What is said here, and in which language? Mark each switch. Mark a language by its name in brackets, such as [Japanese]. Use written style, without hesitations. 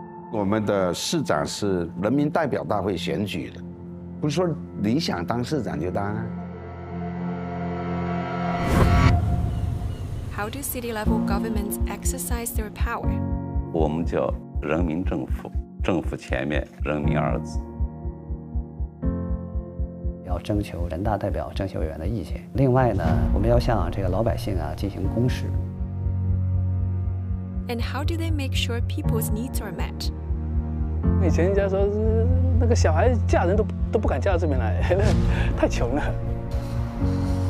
[Chinese] 我们的市长是人民代表大会选举的，不是说你想当市长就当啊。 [English] How do city-level governments exercise their power? [Chinese] 我们叫人民政府，政府前面人民二字。要征求人大代表、政协委员的意见。另外呢，我们要向这个老百姓啊进行公示。 [English] And how do they make sure people's needs are met? [Chinese] 以前人家说那个小孩嫁人都不敢嫁这边来，太穷了。